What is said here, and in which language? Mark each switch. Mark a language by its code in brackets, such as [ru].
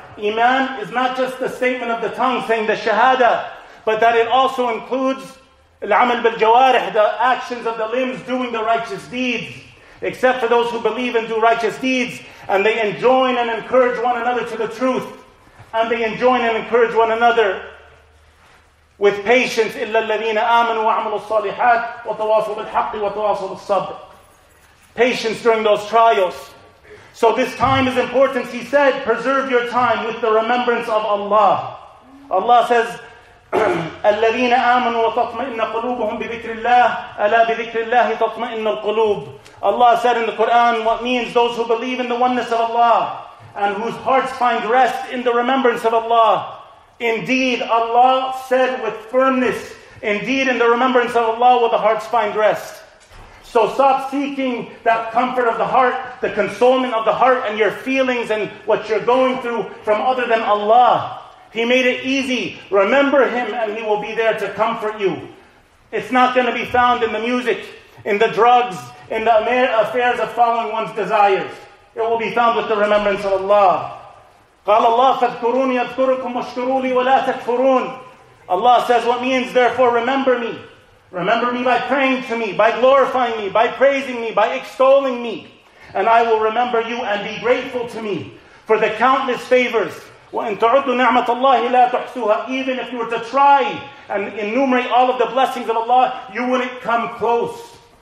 [en] Iman is not just the statement of the tongue saying the Shahada, but that it also includes [ar] العمل بالجوارح, [en] the actions of the limbs doing the righteous deeds. Except for those who believe and do righteous deeds, and they enjoin and encourage one another to the truth. And they enjoin and encourage one another with patience. [ar] إِلَّا الَّذِينَ آمَنُوا وَعَمِلُوا الصَّالِحَاتِ وَتَوَاصُوا بِالْحَقِّ وَتَوَاصُوا بِالصَّبْرِ [en] Patience during those trials. So this time is important. He said, preserve your time with the remembrance of Allah. Allah says, [ar] الذين آمنوا وتطمئن قلوبهم بذكر الله ألا بذكر الله تطمئن القلوب. [en] Allah said in the Quran, what means those who believe in the oneness of Allah and whose hearts find rest in the remembrance of Allah. Indeed, Allah said with firmness, indeed in the remembrance of Allah will the hearts find rest. So stop seeking that comfort of the heart, the consolement of the heart and your feelings and what you're going through from other than Allah. He made it easy. Remember Him and He will be there to comfort you. It's not going to be found in the music, in the drugs, in the affairs of following one's desires. It will be found with the remembrance of Allah. [ar] قال الله فاذكروني أذكركم واشكروا لي ولا تكفرون. [en] Allah says what means, therefore remember me. Remember me by praying to me, by glorifying me, by praising me, by extolling me. And I will remember you and be grateful to me for the countless favors. [ar] وَإِنْ تُعُدُّ نِعْمَةَ اللَّهِ لَا تُحْسُوهَا. [en] Even if you were to try and enumerate all of the blessings of Allah, you wouldn't come close.